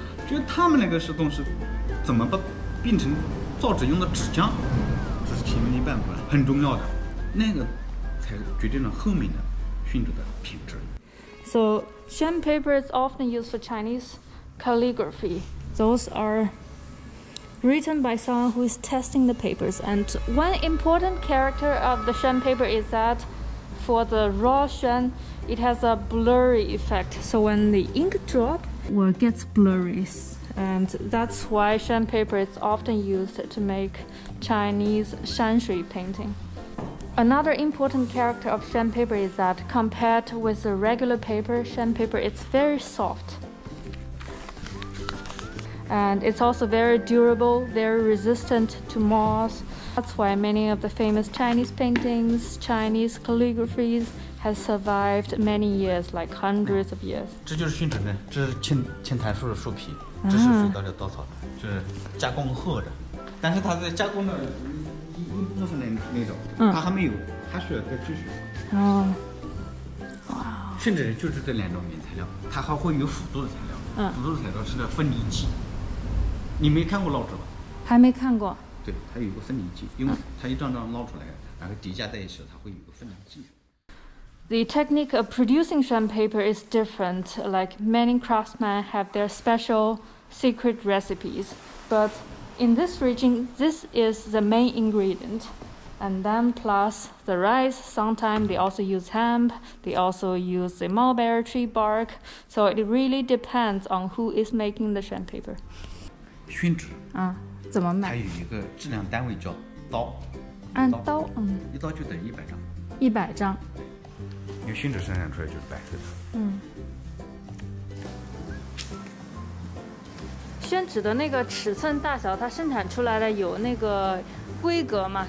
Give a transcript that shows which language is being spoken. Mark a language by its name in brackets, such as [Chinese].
[Chinese] 就是他们那个是东西，怎么把变成造纸用的纸浆，这是前面的一半部分，很重要的，那个才决定了后面的宣纸的品质。 [English] So Xuan paper is often used for Chinese calligraphy. Those are written by someone who is testing the papers. And one important character of the Xuan paper is that for the raw Xuan, it has a blurry effect. So when the ink drop, well, it gets blurry. And that's why Xuan paper is often used to make Chinese Shanshui painting. Another important character of Xuan paper is that compared with the regular paper, Xuan paper is very soft. And it's also very durable, very resistant to moss. That's why many of the famous Chinese paintings, Chinese calligraphies has survived many years, like hundreds of years. [Chinese] 这就是宣纸呢，这是青檀树的树皮，这是水稻的稻草，就是加工后的。但是它在加工的一部分的那种，它还没有，它需要再继续。哇！宣纸就是这两种原材料，它还会有辅助的材料。辅助的材料是那分离剂。你没看过烙纸吧？还没看过。对，它有个分离剂，因为它一张张烙出来，然后叠加在一起，它会有个分离剂。 [English] The technique of producing Xuan paper is different, like many craftsmen have their special secret recipes. But in this region, this is the main ingredient. And then plus the rice, sometimes they also use hemp, they also use the mulberry tree bark. So it really depends on who is making the Xuan paper. [Chinese] 宣纸啊，怎么买？它有一个质量单位叫刀。按刀，嗯。一刀就等于100张。 100张。因为宣纸生产出来就是白色的。嗯。宣纸的那个尺寸大小，它生产出来的有那个规格吗？